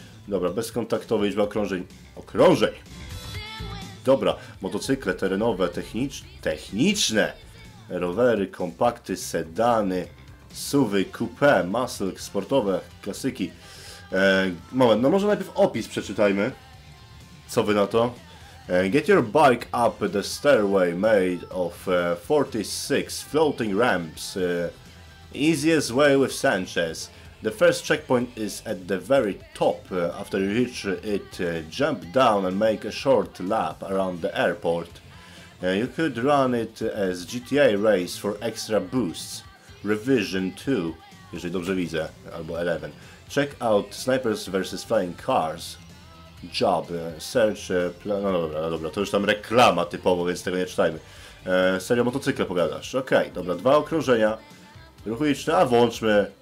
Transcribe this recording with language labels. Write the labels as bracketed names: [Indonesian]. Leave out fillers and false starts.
[Polish] Dobra, bezkontaktowa liczba okrążeń. Okrążeń! Dobra, motocykle terenowe, techniczne, rowery, kompakty, sedany, SUVy, coupé, muscle, sportowe, klasyki. Moment, no może najpierw opis przeczytajmy. Co wy na to? [English] Get your bike up the stairway made of 46 floating ramps. Easiest way with Sanchez. The first checkpoint is at the very top. After you reach it, jump down and make a short lap around the airport. You could run it as GTA Race for extra boosts. [Polish] Revision 2, jeżeli dobrze widzę, albo 11. [English] Check out Snipers vs. Flying Cars. [Polish] Job, search, no dobra, dobra, to już tam reklama typowo, więc tego nie czytajmy. Serio motocykle powiadasz. Okej, okay, dobra, dwa okrążenia. Ruch uliczny, a włączmy.